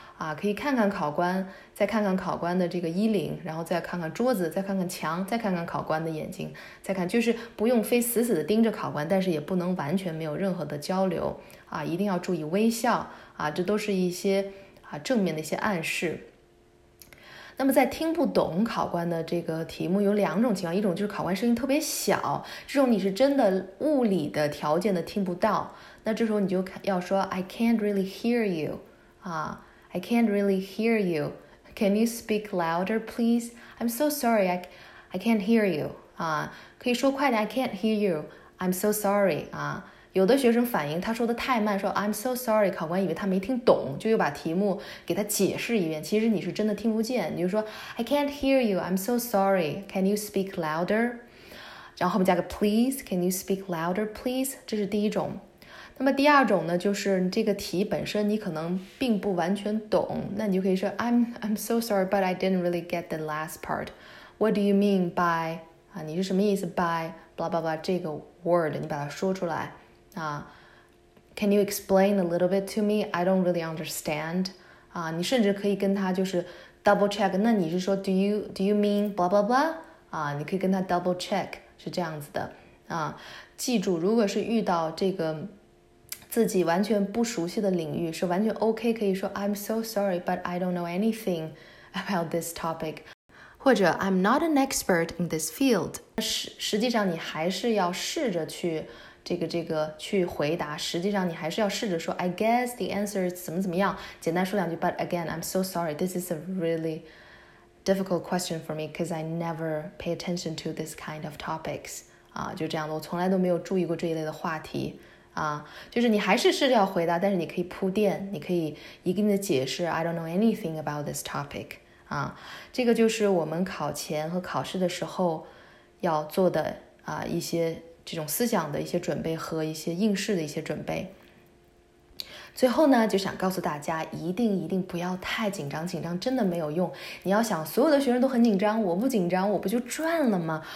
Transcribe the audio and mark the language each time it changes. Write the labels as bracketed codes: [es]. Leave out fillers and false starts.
[zh] 啊，可以看看考官，再看看考官的这个衣领，然后再看看桌子，再看看墙，再看看考官的眼睛，再看，就是不用非死死的盯着考官，但是也不能完全没有任何的交流啊，一定要注意微笑啊，这都是一些正面的一些暗示。那么在听不懂考官的这个题目有两种情况，一种就是考官声音特别小，这种你是真的物理的条件的听不到，那这时候你就要说 [en] "I can't really hear you" [zh] 啊。 [en] I can't really hear you. Can you speak louder, please? I'm so sorry. I can't hear you. [zh] 可以说快点。 [en] I can't hear you. I'm so sorry. [zh] 有的学生反应，他说的太慢，说 [en] I'm so sorry。 [zh] 考官以为他没听懂，就又把题目给他解释一遍。其实你是真的听不见，你就说 [en] I can't hear you. I'm so sorry. Can you speak louder? [zh] 然后后面加个 [en] please. Can you speak louder, please? [zh] 这是第一种。那么第二种呢，就是这个题本身你可能并不完全懂，那你就可以说 [en] I'm so sorry, but I didn't really get the last part. What do you mean by [zh] 你是什么意思 [en] by blah blah blah [zh] 这个 [en] word [zh] 你把它说出来啊。 [en] Can you explain a little bit to me? I don't really understand. [zh] 你甚至可以跟他就是 double check。那你是说 [en] do you mean blah blah blah？ [zh] 你可以跟他 double check，是这样子的。记住，如果是遇到这个自己完全不熟悉的领域，是完全 [en] OK，可以说 I'm so sorry, but I don't know anything about this topic， [zh] 或者 [en] I'm not an expert in this field。 [zh] 实际上你还是要试着去。这个去回答，实际上你还是要试着说 [en] "I guess the answer is [zh] 怎么怎么样"，简单说两句。 [en] But again, I'm so sorry. This is a really difficult question for me because I never pay attention to this kind of topics. [zh] 就这样的，我从来都没有注意过这一类的话题。就是你还是试着要回答，但是你可以铺垫，你可以一定的解释。 [en] I don't know anything about this topic. [zh] 这个就是我们考前和考试的时候要做的一些。这种思想的一些准备和一些应试的一些准备，最后呢，就想告诉大家，一定不要太紧张，紧张真的没有用。你要想，所有的学生都很紧张，我不紧张，我不就赚了吗？